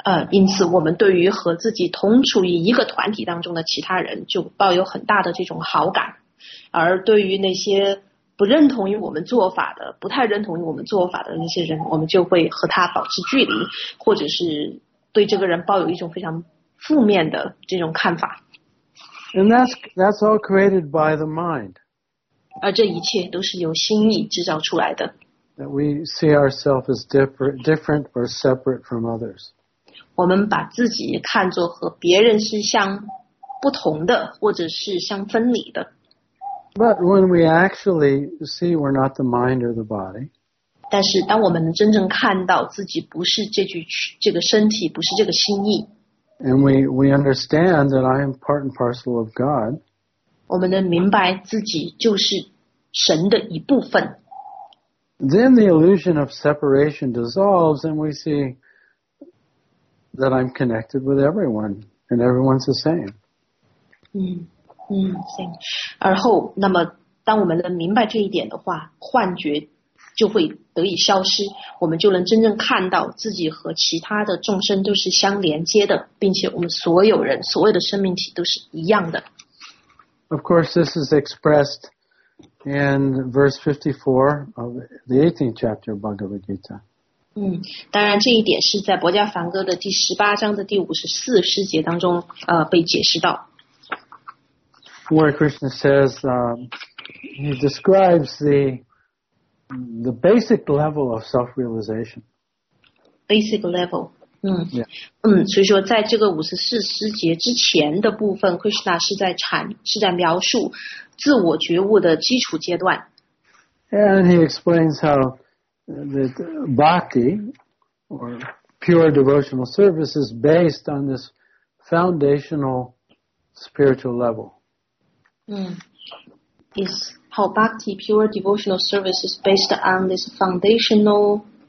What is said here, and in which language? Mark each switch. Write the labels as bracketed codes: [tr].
[zh] 因此我们对于和自己同处于一个团体当中的其他人就抱有很大的这种好感，而对于那些不认同于我们做法的、不太认同于我们做法的那些人，我们就会和他保持距离，或者是对这个人抱有一种非常负面的这种看法。 [en] And that's all created by the mind. [zh] 而这一切都是由心意制造出来的。 [en] That we see ourselves as different or separate from others. [zh] 我们把自己看作和别人是相不同的，或者是相分离的。 [en] But when we actually see we're not the mind or the body, [zh] 但是当我们真正看到自己不是这个身体，不是这个心意， [en] and we understand that I am part and parcel of God, [zh] 我们能明白自己就是神的一部分。 [en] Then the illusion of separation dissolves and we see that I'm connected with everyone and everyone's the same. [zh] 行。而后那么当我们能明白这一点的话，幻觉就会得以消失，我们就能真正看到自己和其他的众生都是相连接的，并且我们所有人所有的生命体都是一样的。 [en] Of course, this is expressed in verse 54 of the 18th chapter of Bhagavad Gita. [zh] 当然这一点是在《博迦梵歌》的第十八章的第五十四诗节当中被解释到。 [en] Where Krishna says, he describes the basic level of self-realization. Basic level. Yeah. [zh] 所以说在这个五十四诗节之前的部分， Krishna 是在描述自我觉悟的基础阶段。 [en] And he explains how that bhakti, or pure devotional service, is based on this foundational spiritual level. Is how bhakti, pure devotional service, is based on this foundational